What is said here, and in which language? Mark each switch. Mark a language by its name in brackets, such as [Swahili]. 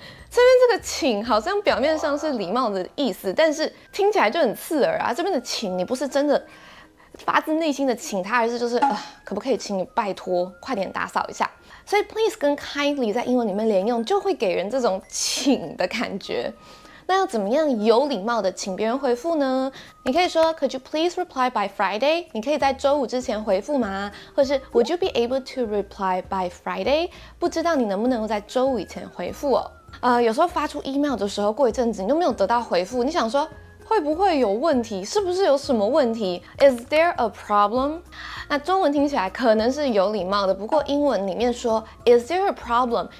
[Chinese] 这边这个请好像表面上是礼貌的意思，但是听起来就很刺耳啊。这边的请你不是真的发自内心的请他，而是就是可不可以请你拜托快点打扫一下。所以 please 跟 kindly 在英文里面连用，就会给人这种请的感觉。那要怎么样有礼貌的请别人回复呢？你可以说 [English] Could you please reply by Friday？ [Chinese] 你可以在周五之前回复吗？或是 [English] Would you be able to reply by Friday？ [Chinese] 不知道你能不能够在周五以前回复哦。有时候发出 email 的时候，过一阵子你都没有得到回复，你想说会不会有问题？是不是有什么问题？ [English] Is there a problem？ [Chinese] 那中文听起来可能是有礼貌的，不过英文里面说 Is there a problem？